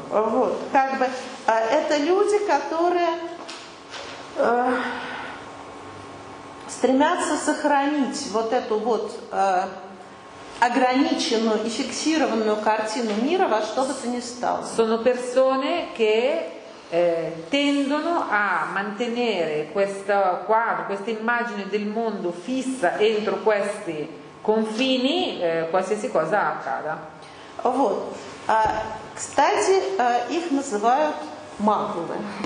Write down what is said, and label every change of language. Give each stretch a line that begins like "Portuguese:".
Russian: Вот, как бы, это люди, которые стремятся сохранить вот эту вот ограниченную и фиксированную картину мира во что бы то ни стало.
Italian: Sono persone che tendono a mantenere questo quadro, questa immagine del mondo fissa entro questi confini, qualsiasi cosa accada.
Russian: Вот. Кстати, их называют маклы.